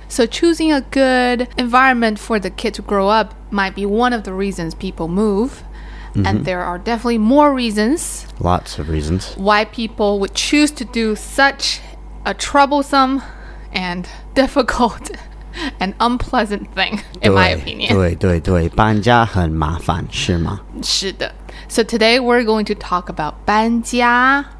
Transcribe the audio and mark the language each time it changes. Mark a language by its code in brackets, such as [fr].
[en] So choosing a good environment for the kid to grow up might be one of the reasons people move. Mm-hmm. And there are definitely more reasons. Lots of reasons. Why people would choose to do such a troublesome and difficult an unpleasant thing, in my opinion. [zh] 对对对，搬家很麻烦，是吗？是的。 [en] So today we're going to talk about 搬家。